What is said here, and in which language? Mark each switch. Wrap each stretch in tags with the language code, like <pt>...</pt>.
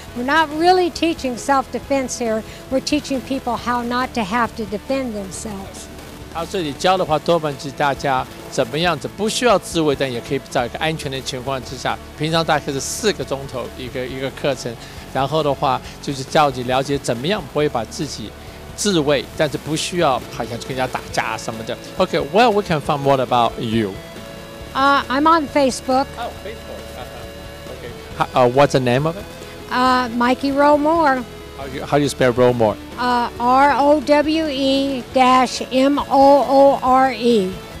<en>We're not really teaching self-defense here. We're teaching people how not to have to defend themselves.</en> <zh>他这里教的话多半是大家怎么样子不需要自卫，但也可以在一个安全的情况之下。平常大概是四个钟头一个课程，然后的话就是教你了解怎么样不会把自己自卫，但是不需要好像跟人家打架什么的。</zh> <en>Okay, well, we can find more about you. I'm on Facebook. Oh, Facebook. Okay. What's the name of it? Mikey Rowe-Moore. How do you spell Rowe-Moore? Rowe-Moore.</en>